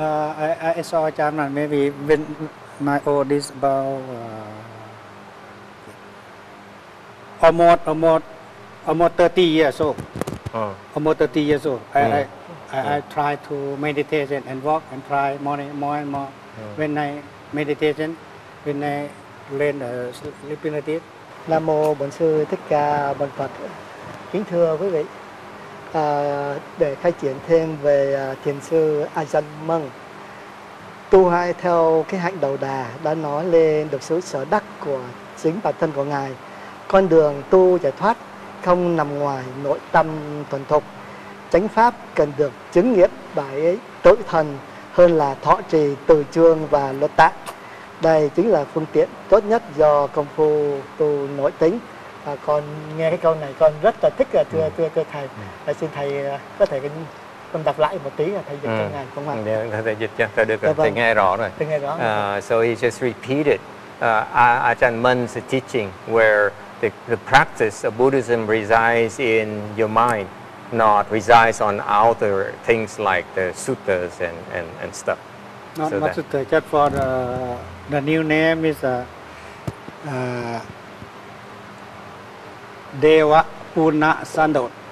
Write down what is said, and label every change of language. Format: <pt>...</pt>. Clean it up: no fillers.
<en>I saw Ajahn Mun maybe when my oldest about almost 30 years old. Almost 30 years old. I try to meditate and walk and try more and more. When I meditate, when I learn the sleeping meditation.</en> <vi>Nam mô Bổn Sư Thích Ca Mâu Ni Phật. Kính thưa quý vị, để khai triển thêm về Thiền sư Ajahn Mun, tu hai theo cái hạnh Đầu Đà đã nói lên được sự sở đắc của chính bản thân của ngài. Con đường tu giải thoát không nằm ngoài nội tâm thuần thục. Chánh pháp cần được chứng nghiệm bởi tự thần hơn là thọ trì từ chương và luật tạng. Đây chính là phương tiện tốt nhất do công phu tu nội tính. Và con nghe cái câu này con rất là thích, thưa thầy. Xin thầy có thể con đọc lại một tí, thầy dịch cho ngài không ạ? Thầy dịch cho, thầy được, thầy nghe rõ rồi. Thầy nghe rõ rồi.</vi> <en>So he just repeated Ajahn Mun's teaching where the practice of Buddhism resides in your mind, not resides on outer things like the suttas and stuff. Not so much to check for the new name is Deva Puna Sandot.</en>